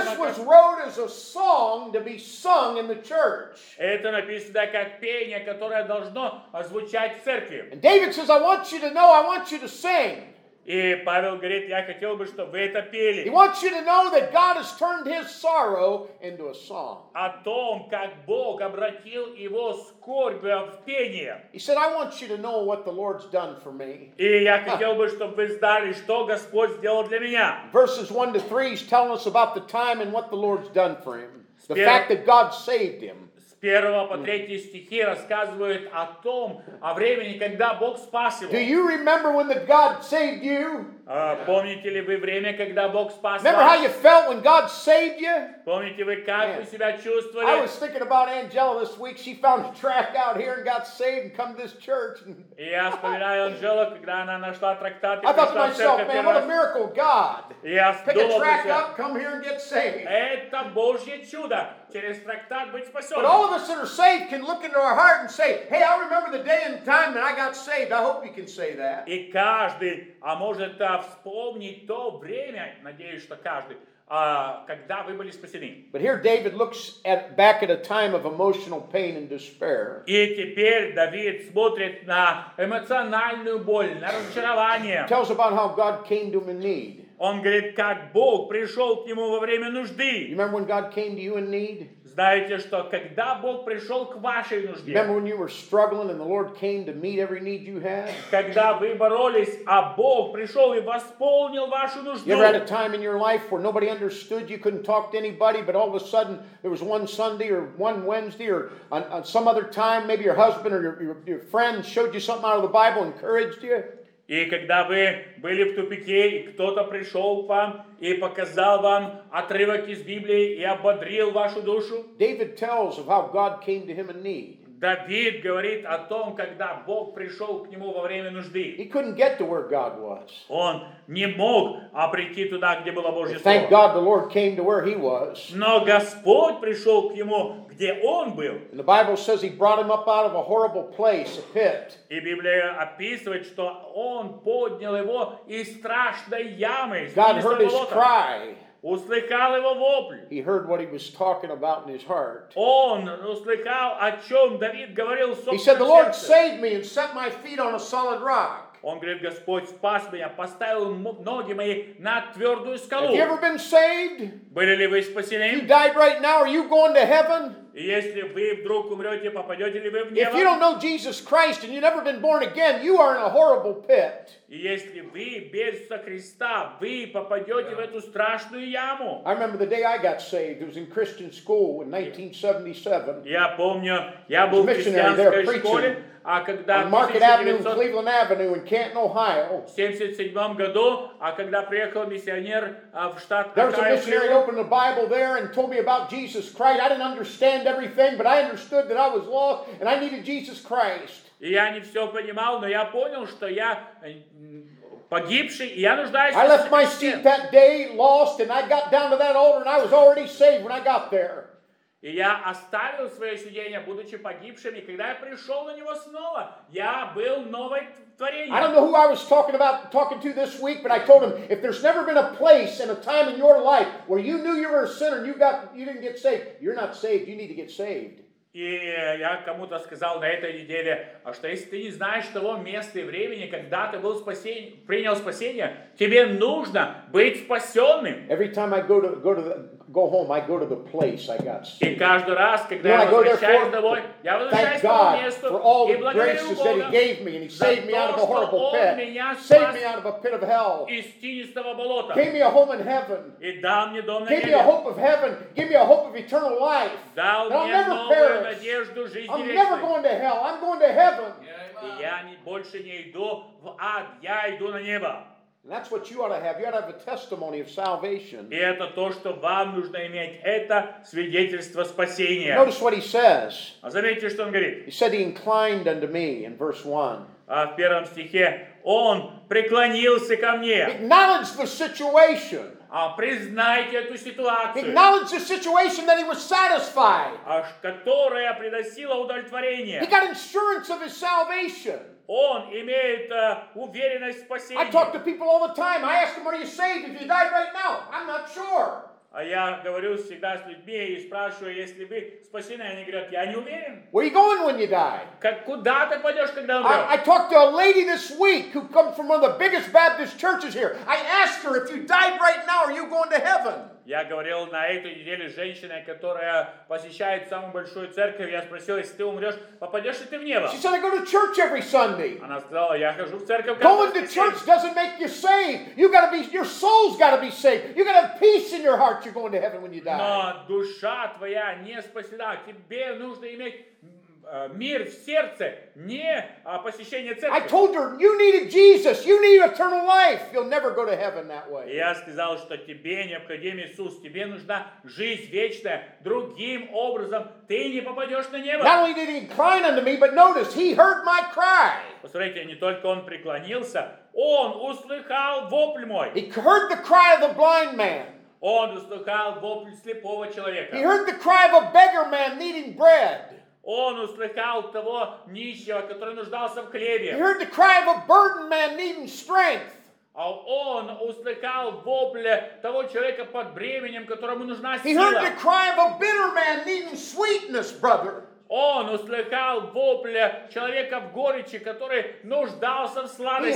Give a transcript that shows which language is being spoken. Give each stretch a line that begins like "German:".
English: This was wrote as a song to be sung in the church.
Russian: Это написано как пение, которое должно звучать в церкви.
English: And David says, I want you to know, I want you to sing.
Russian: И Павел говорит, я хотел бы, чтобы вы это пели.
English: He wants you to know that God has turned his sorrow into a song.
Russian: О том, как Бог обратил его скорбь в пение.
English: He said, I want you to know what the Lord's done for me.
Russian: И я хотел бы, чтобы вы знали, что Господь сделал для меня.
English: Verses 1 to 3 is telling us about the time and what the Lord's done for him. The fact that God saved him.
Russian: С 1 по 3 стихи рассказывают о том, о времени, когда Бог спас его.
English: Do you remember when the God saved you?
Russian: Помните ли вы время, когда Бог спас вас?
English: Remember how you felt when God saved you?
Russian: Помните вы, как вы себя чувствовали?
English: I was thinking about Angela this week. She found a track out here and got saved and come to this church.
Russian: И я вспоминаю Анжелу, когда она нашла трактат и пришла в церковь.
English: I thought to myself, man, what a miracle, God. Pick a track up, come here and get saved.
Russian: Это Божье чудо. Через трактат быть спасен.
English: But all of us that are saved can look into our heart and say, hey, I remember the day and time that I got saved. I hope you can say that.
Russian: И каждый, а может вспомнить то время, надеюсь, что каждый, когда вы были спасены.
English: But here David looks at, back at a time of emotional pain and despair.
Russian: И теперь Давид смотрит на эмоциональную боль, на разочарование.
English: He tells about how God came to him in need.
Russian: Он говорит, как Бог пришел к нему во время нужды.
English: You remember when God came to you in need?
Russian: Знаете, что когда Бог пришел к вашей нужде?
English: Remember when you were struggling and the Lord came to meet every need you had?
Russian: Когда вы боролись, а Бог пришел и восполнил вашу нужду?
English: You ever had a time in your life where nobody understood, you couldn't talk to anybody, but all of a sudden there was one Sunday or one Wednesday or on some other time, maybe your husband or your friend showed you something out of the Bible, encouraged you?
Russian: И когда вы были в тупике, и кто-то пришел к вам и показал вам отрывок из Библии и ободрил вашу душу.
English: David tells of how God came to him in need.
Russian: Давид говорит о том, когда Бог пришел к нему во время нужды.
English: He couldn't get to where God was.
Russian: Он не мог прийти туда, где было Божье слово.
English: Thank God the Lord came to where he was.
Russian: Но Господь пришел к нему, где он был.
English: And the Bible says he brought him up out of a horrible place, a pit.
Russian: И Библия описывает, что он поднял его из страшной ямы.
English: God heard his cry.
Russian: Услыхал его вопль.
English: He heard what he was talking about in his heart.
Russian: Он услыхал, о чем Давид говорил в собственном сердце.
English: He said, "The Lord saved me and set my feet on a solid rock."
Russian: Он говорит, Господь спас меня, поставил ноги мои на твердую скалу.
English: Have you ever been saved?
Russian: Были ли вы спасены?
English: You died right now, are you going to heaven?
Russian: Если вы вдруг умрете, попадете ли вы в небо?
English: If you don't know Jesus Christ and you've never been born again, you are in a horrible pit.
Russian: Если вы без Христа, вы попадете в эту страшную яму.
English: I remember the day I got saved. It was in Christian school in 1977.
Russian: Я помню, я был в христианской школе. А когда
English: on Market Avenue, Cleveland Avenue, in Canton, Ohio.
Russian: В 77 году, а когда приехал миссионер в штат Огайо.
English: There was a missionary who opened the Bible there and told me about Jesus Christ. I didn't understand everything, but I understood that I was lost and I needed Jesus Christ.
Russian: И я не все понимал, но я понял, что я погибший, и я нуждаюсь.
English: I left my seat that day lost, and I got down to that altar, and I was already saved when I got there.
Russian: И я оставил свое сиденье, будучи погибшим, и когда я пришел на него снова, я был новой творением.
English: I don't know who I was talking to this week, but I told him, if there's never been a place and a time in your life where you knew you were a sinner and you didn't get saved, you're not saved, you need to get saved.
Russian: И я кому-то сказал на этой неделе, а что если ты не знаешь того места и времени, когда ты был спасен, принял спасение, тебе нужно быть спасенным.
English: Every time I go home, I go to the place I got saved.
Russian: И каждый раз, когда я возвращаюсь домой, я возвращаюсь к тому месту
English: for all the
Russian: и благодарю Бога
English: that he gave me, and he saved me out of a horrible pit.
Russian: Он меня спас,
English: saved me out of a pit of hell.
Russian: Из тинистого болота.
English: Gave me a home in heaven.
Russian: И дал мне дом на небе.
English: Gave me a hope of heaven. Gave me a hope of eternal life.
Russian: Дал
English: and
Russian: мне
English: I'll never
Russian: новую надежду жизни вечной.
English: I'm never going to hell. I'm going to heaven.
Russian: И я больше не иду в ад. Я иду на небо.
English: And that's what you ought to have. You ought to have a testimony of salvation.
Russian: И это то, что вам нужно иметь. Это свидетельство спасения.
English: Notice what he says.
Russian: А заметьте, что он говорит.
English: He said he inclined unto me in verse 1.
Russian: А в первом стихе он преклонился ко мне.
English: Acknowledge the situation.
Russian: А признайте эту ситуацию.
English: Acknowledge the situation that he was satisfied.
Russian: А которая приносила удовлетворение.
English: He got insurance of his salvation.
Russian: Он имеет уверенность в спасении.
English: I talk to people all the time. I ask them, "Are you saved? If you died right now, I'm not sure."
Russian: А я говорю всегда с людьми и спрашиваю, если вы спасены, они говорят, я не уверен.
English: Where are you going when you die?
Russian: Куда ты пойдешь, когда умрешь?
English: I talked to a lady this week who comes from one of the biggest Baptist churches here. I asked her, "If you died right now, are you going to heaven?"
Russian: Я говорил на этой неделе с женщиной, которая посещает самую большую церковь. Я спросил, если ты умрешь, попадешь ли ты в небо?
English: She said, I go to church every Sunday.
Russian: Она сказала, я хожу в церковь.
English: Going to church doesn't make you saved. You gotta be, your soul's gotta be saved. You gotta have peace in your heart. You're going to heaven when you die.
Russian: Но душа твоя не спасена. Тебе нужно иметь мир в сердце, не посещение церкви.
English: I told her, you needed Jesus, you need eternal life. You'll never go to heaven that way.
Russian: Я сказал, что тебе необходим Иисус, тебе нужна жизнь вечная. Другим образом, ты не попадешь на небо.
English: Not only did he incline unto me, but notice, he heard my cry.
Russian: Посмотрите, не только он преклонился, он услыхал вопль мой.
English: He heard the cry of the blind man.
Russian: Он услыхал вопль слепого человека.
English: He heard the cry of a beggar man needing bread.
Russian: Он услыхал того нищего, который нуждался в хлебе.
English: He heard the cry of a burdened man needing strength.
Russian: А он услыхал вопль того человека под бременем, которому нужна сила.
English: He heard the cry of a bitter man needing sweetness, brother.
Russian: Он услыхал вопль человека в горечи, который нуждался в сладости.